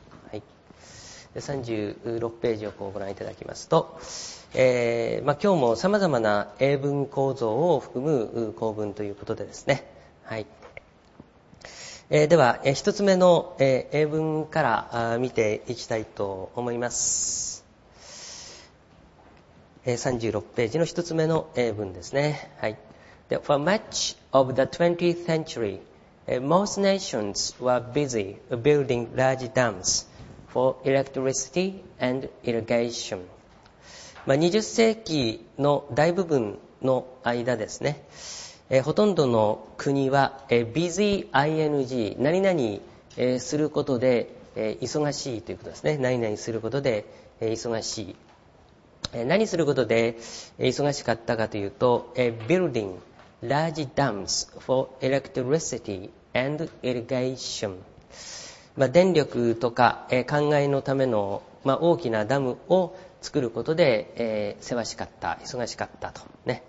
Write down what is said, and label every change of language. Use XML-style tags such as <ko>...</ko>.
<ja>はい、36ページをご覧いただきますと、まあ、今日もさまざまな英文構造を含む構文ということでですね、はい、では一つ目の英文から見ていきたいと思います。 36ページの一つ目の英文ですね、はい、</ja> <en>For much of the 20th centuryMost nations were busy building large dams for electricity and irrigation.</en> <ja>まあ、20世紀の大部分の間ですね、ほとんどの国は、busy ing 何々、することで、忙しいということですね。何々することで、忙しい、何することで、忙しかったかというと、</ja> <en>building large dams for electricityand irrigation、</en> <ja>まあ、電力とか、灌漑のための、まあ、大きなダムを作ることで、せわしかった、忙しかったとね。</ja>